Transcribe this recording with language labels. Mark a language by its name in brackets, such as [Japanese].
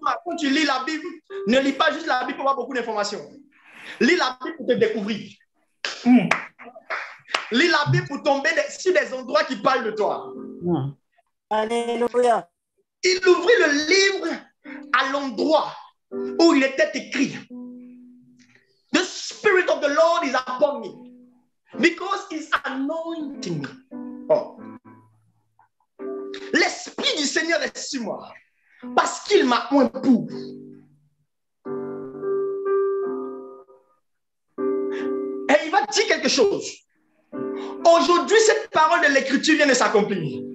[French] Quand tu lis la Bible, ne lis pas juste la Bible pour avoir beaucoup d'informations. Lis la Bible pour te découvrir. Lis la Bible pour tomber sur des endroits qui parlent de toi. Mmh. Alléluia. Il ouvrit le livre à l'endroit où il était écrit. [English] The Spirit of the Lord is upon me because he's anointing me. Oh. [French] L'Esprit du Seigneur est sur moi parce qu'il m'a oint pour. Et il va dire quelque chose. Aujourd'hui, cette parole de l'Écriture vient de s'accomplir.